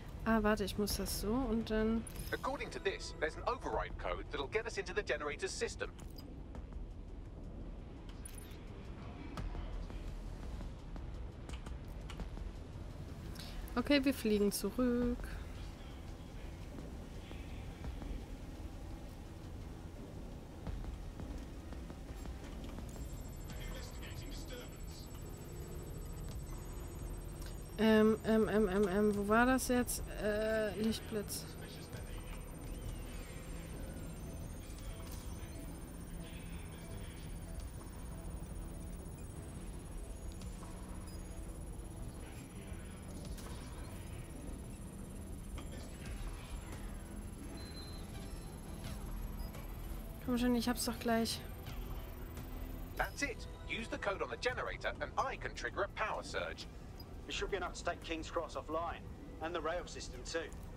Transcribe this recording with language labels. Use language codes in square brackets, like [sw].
[de] Ah, warte, ich muss das so und dann... [en] According to this, there's an override code that'll get us into the generator's system. [de] Okay, wir fliegen zurück. Wo war das jetzt? Lichtblitz. Komm schon, ich hab's doch gleich. [en] That's it. Use the code on the generator and I can trigger a power surge. It should be enough to take King's Cross offline, and the rail system too.